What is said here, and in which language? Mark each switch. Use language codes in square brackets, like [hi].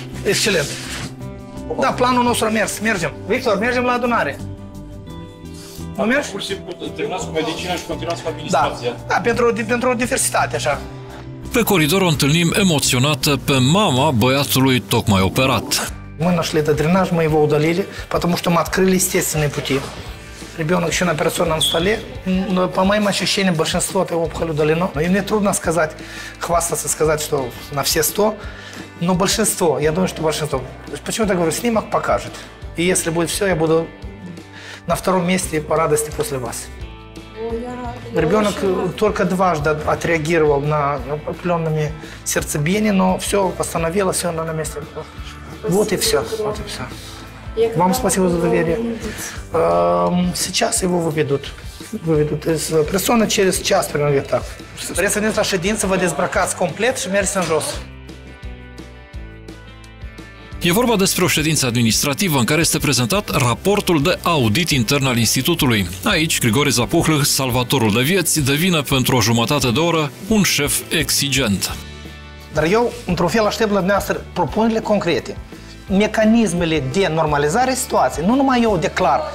[ro] Excelent. Da, planul nostru a mers. Mergem. Victor, mergem la adunare. Nu mergi? Pur și simplu, terminați cu medicina și continuați cu administrația. Da, pentru o diversitate, așa. Pe coridor o întâlnim emoționată pe mama băiatului tocmai operat. [ru] Мы нашли этот дренаж, мы его удалили, потому что мы открыли естественные пути. Ребенок еще на операционном столе, но по моим ощущениям большинство этой опухоли удалено. И мне трудно сказать, хвастаться, сказать, что на все 100, но большинство, я думаю, что большинство. Почему-то говорю, снимок покажет. И если будет все, я буду на втором месте по радости после вас. Ребенок только дважды отреагировал на определенные сердцебиения, но все восстановилось, все на месте. Спасибо, вот и все. Вот и все. Вам спасибо за доверие. Сейчас его выведут. Выведут из операционной через час, примерно где-то так. Представитель нашей единицы будет сбракат комплект, чтобы мерить на жест. [ro] E vorba despre o ședință administrativă în care este prezentat raportul de audit intern al institutului. Aici, Grigore Zapuhlâh, salvatorul de vieți, devine pentru o jumătate de oră un șef exigent. Dar eu, într-un fel, aștept la dumneavoastră propunerile concrete, mecanismele de normalizare situației. Nu numai eu declar.